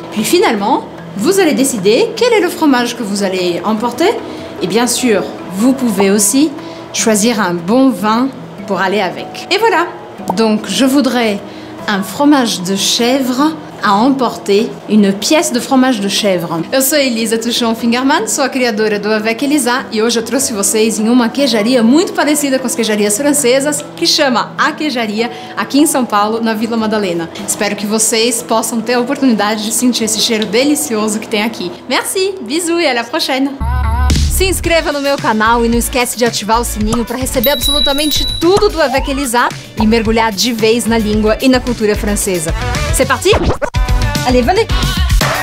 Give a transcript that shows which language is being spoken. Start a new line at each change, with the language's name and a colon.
French: Puis finalement, vous allez décider quel est le fromage que vous allez emporter. Et bien sûr, vous pouvez aussi choisir un bon vin pour aller avec. Et voilà! Donc, je voudrais un fromage de chèvre à emporter, une pièce de fromage de chèvre.
Portuguese: Eu sou Elisa Tuchon Fingerman, sou a criadora do Avec Elisa e hoje eu trouxe vocês em uma queijaria muito parecida com as queijarias francesas que chama A Queijaria, aqui em São Paulo, na Vila Madalena. Espero que vocês possam ter a oportunidade de sentir esse cheiro delicioso que tem aqui.
French: Merci, bisous e à la prochaine!
Portuguese: Se inscreva no meu canal e não esquece de ativar o sininho para receber absolutamente tudo do Avec Elisa e mergulhar de vez na língua e na cultura francesa.
French: C'est parti! Allez, venez!